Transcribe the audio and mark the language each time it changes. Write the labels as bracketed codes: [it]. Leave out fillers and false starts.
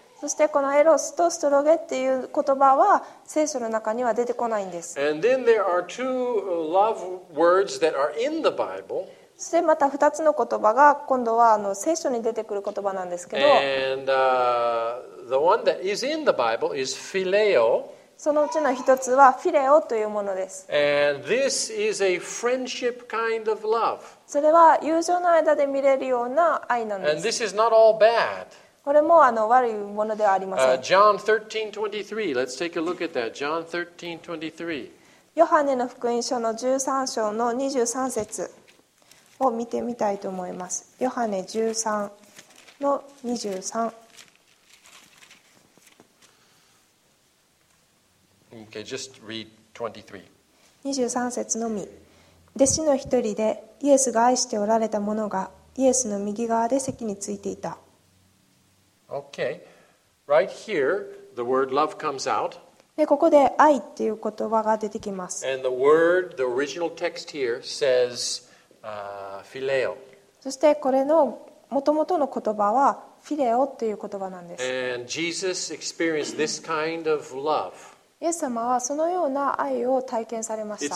[ja] そしてこのエロスとストロゲっていう言葉は聖書の中には出てこないんです。 [en] And then there are two love words that are in the Bible. [ja] そしてまた2つの言葉が今度は聖書に出てくる言葉なんですけど。 [en] And the one that is in the Bible is phileo. [ja] そのうちの1つはフィレオというものです。 [en] And this is a friendship kind of love. [ja] それは友情の間で見れるような愛なんです。 [en] And this is not all bad. [ja] これも悪いものではありません。 [en] John 13:23. Let's take a look at that. John 13:23. [ja] ヨハネの福音書の13章の23節を見てみたいと思います。ヨハネ13の [en] 23。 Okay, just read [ja] 23節のみ。弟子の一人でイエスが愛しておられた者がイエスの右側で席についていた。 [en] Okay. Right here, the word love comes out. [ja] で、ここで愛っていう言葉が出てきます。 [en] And the word, the original text here says, phileo. [ja] そしてこれの元々の言葉はフィレオっていう言葉なんです。 [en] And Jesus experienced this kind of love. [ja] イエス様はそのような愛を体験されました。